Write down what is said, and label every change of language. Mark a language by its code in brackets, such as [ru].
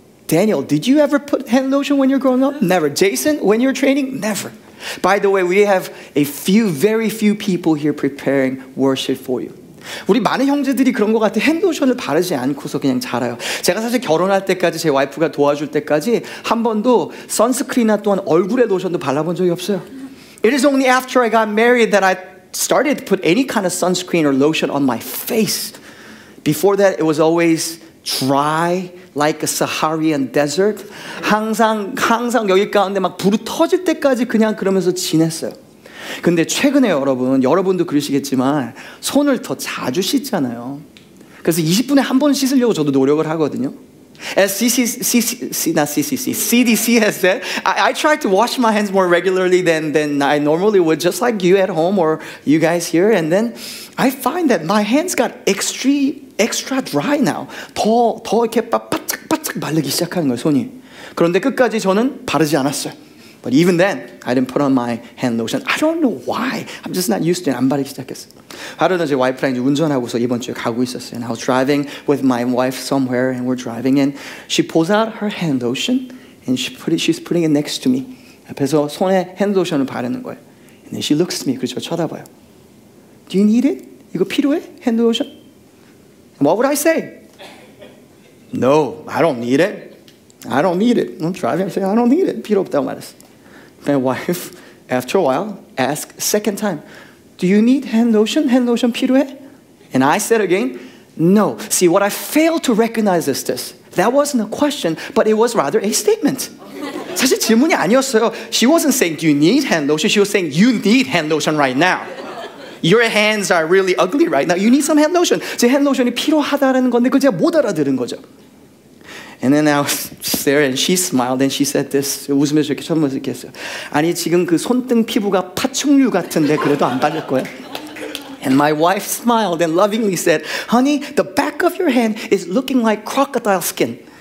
[en] Daniel, did you ever put hand lotion when you're growing up? Never. Jason, when you're training? Never. By the way, we have a few, very few people here preparing worship for you. [ko] 우리 많은 형제들이 그런 것 같아 핸드로션을 바르지 않고서 그냥 자라요. 제가 사실 결혼할 때까지 제 와이프가 도와줄 때까지 한 번도 선스크린이나 또한 얼굴에 로션도 발라본 적이 없어요. [en] It is only after I got married that I started to put any kind of sunscreen or lotion on my face. Before that, it was always dry, like a Saharan desert. [ko] 항상 여기 가운데 막 불이 터질 때까지 그냥 그러면서 지냈어요. 근데 최근에 여러분도 그러시겠지만 손을 더 자주 씻잖아요. 그래서 20분에 한 번 씻으려고 저도 노력을 하거든요. [en] As CDC has said, I try to wash my hands more regularly than I normally would, just like you at home or you guys here. And then I find that my hands got extra dry now. [ko] 더 이렇게 바짝바짝 마르기 시작하는 거예요, 손이. 그런데 끝까지 저는 바르지 않았어요. [en] But even then, I didn't put on my hand lotion. I don't know why. I'm just not used to it. [ko] 안 바르기 시작했어. 하루는 제 와이프랑 이제 운전하고서 이번 주에 가고 있었어요. [en] And I was driving with my wife somewhere, and we're driving, and she pulls out her hand lotion, and she's putting it next to me. [ko] 앞에서 손에 hand lotion을 바르는 거예요. [en] And then she looks at me, [ko] 그리고 저 쳐다봐요. [en] Do you need it? [ko] 이거 필요해? [en] Hand lotion? What would I say? No, I don't need it. I don't need it. I'm driving. I say, I don't need it. [ko] 필요 없다고 말했어. [en] My wife, after a while, asked second time, Do you need hand lotion? Hand lotion [ko] 필요해? [en] And I said again, No. See, what I failed to recognize is this. That wasn't a question, but it was rather a statement. [ko] 사실 질문이 아니었어요. [en] She wasn't saying, Do you need hand lotion? She was saying, You need hand lotion right now. Your hands are really ugly right now. You need some hand lotion. [ko] 제 hand lotion이 필요하다는 건데, 그걸 제가 못 알아들은 거죠. [en] And then I was there, and she smiled, and she said this. [ko] 웃으면서 이렇게 쳐다보면서 이렇게 했어요. 아니, 지금 그 손등 피부가 파충류 같은데 그래도 안 바를 거야? [en] And my wife smiled and lovingly said, Honey, the back of your hand is looking like crocodile skin.